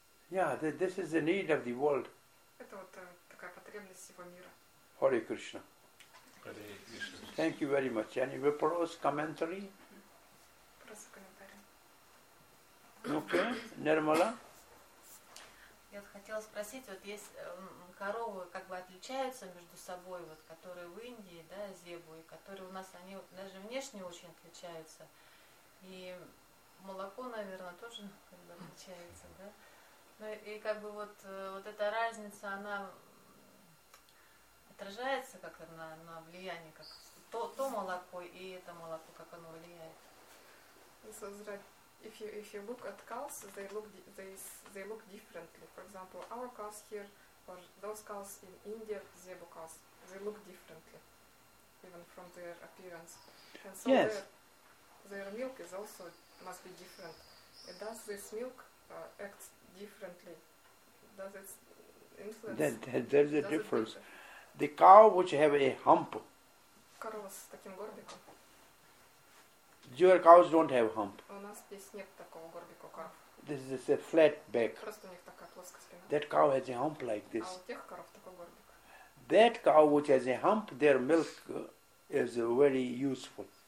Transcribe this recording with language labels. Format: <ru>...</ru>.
<en>Yeah, this is the need of the world.</en> <ru>Это вот такая потребность всего мира.</ru> <en>Hare Krishna. Hare Krishna. Thank you very much. Any vipros commentary?</en> <ru>Просто комментарий.</ru> <en>Okay, Nirmala.</en> <ru>Я хотела спросить, вот есть коровы, как бы отличаются между собой, вот которые в Индии, да, зебу, и которые у нас, они даже внешне очень отличаются. И молоко, наверное, тоже как бы отличается, да. Ну и как бы вот эта разница, она отражается как-то на влияние, как то молоко и это молоко, как оно влияет.</ru> <en>If you look at cows, they look differently. For example, our cows here or those cows in India, zebu cows, they look differently, even from their appearance. And so yes. their milk is also must be different. Does this milk act differently? Does it influence? There's a difference. The cow which have a hump.</en> <ru>Корова с таким горбиком.</ru> <en>Your cows don't have hump.</en> <ru>У нас здесь нет такого горбика у коров.</ru> <en>This is a flat back.</en> <ru>Просто у них такая плоская спина.</ru> <en>That cow has a hump like this.</en> <ru>А у тех коров такой горбик.</ru> <en>That cow which has a hump, their milk is very useful.</en>